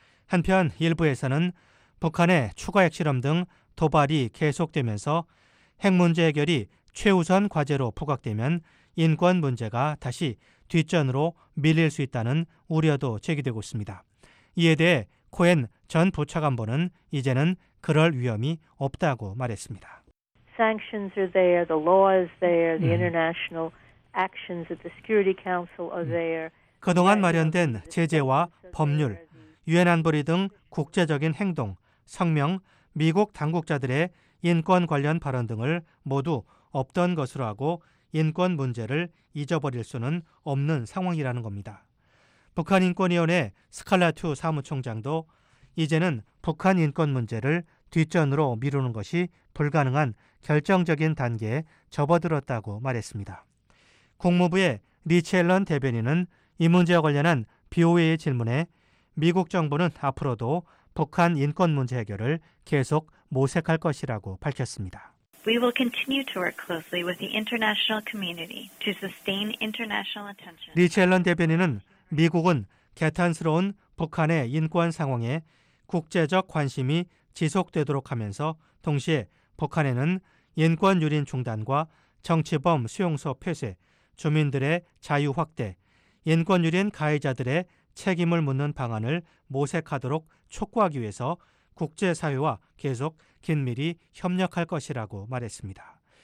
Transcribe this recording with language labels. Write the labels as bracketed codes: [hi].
[ko] 한편 일부에서는 북한의 추가 핵실험 등 도발이 계속되면서 핵 문제 해결이 최우선 과제로 부각되면 인권 문제가 다시 뒷전으로 밀릴 수 있다는 우려도 제기되고 있습니다. 이에 대해 코엔 전 부차관보는 이제는 그럴 위험이 없다고 말했습니다. [en] Sanctions are there, the law is there, the international actions of the Security Council are there. [ko] 그동안 마련된 제재와 법률, 유엔 안보리 등 국제적인 행동, 성명, 미국 당국자들의 인권 관련 발언 등을 모두 없던 것으로 하고 인권 문제를 잊어버릴 수는 없는 상황이라는 겁니다. 북한인권위원회 스칼라투 사무총장도 이제는 북한 인권 문제를 뒷전으로 미루는 것이 불가능한 결정적인 단계에 접어들었다고 말했습니다. 국무부의 리첼런 대변인은 이 문제와 관련한 BOA의 질문에 미국 정부는 앞으로도 북한 인권 문제 해결을 계속 모색할 것이라고 밝혔습니다. [en] We will continue to work closely with the international community to sustain international attention. [ko] 리첼런 대변인은 미국은 개탄스러운 북한의 인권 상황에 국제적 관심이 지속되도록 하면서 동시에 북한에는 인권 유린 중단과 정치범 수용소 폐쇄, 주민들의 자유 확대, 인권 유린 가해자들의 책임을 묻는 방안을 모색하도록 촉구하기 위해서 국제사회와 계속 긴밀히 협력할 것이라고 말했습니다.